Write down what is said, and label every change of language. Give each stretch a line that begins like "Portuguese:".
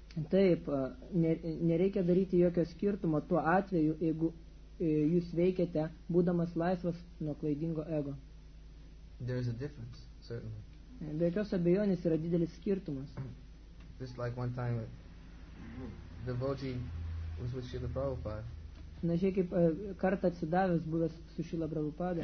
Lithuanian: Taip, nereikia daryti jokio skirtumo tuo atveju, jeigu jūs veikiate būdamas laisvas nuo klaidingo ego.
English: There is a difference, certainly.
Lithuanian: Be jokios abejonės yra didelis skirtumas.
English: Just like one time the devotee was with Srila Prabhupada.
Lithuanian: Na, žiūrėk, kaip kartą atsidavęs buvęs su Srila Prabhupada.